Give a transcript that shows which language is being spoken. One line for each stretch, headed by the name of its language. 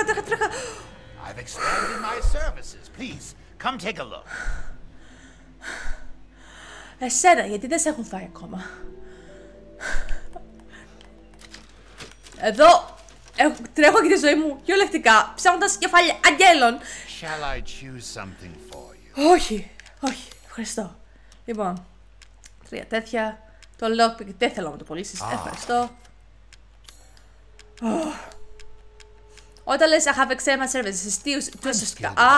English: I've extended my services. Please come take a look.
Greek: Εσένα, γιατί δεν σε έχουν φάει ακόμα? Εδώ. Τρέχω και τη ζωή μου, κυριολεκτικά, ψάχνοντας κεφάλια αγγέλων.
English: Shall I choose something for you?
Greek: Όχι, όχι, ευχαριστώ. Λοιπόν, τρία τέτοια. Το lockpick δεν θέλω να το πωλήσεις, ευχαριστώ. Όταν λες,
English: I have extended services,
Greek: τι ουσιαστικά.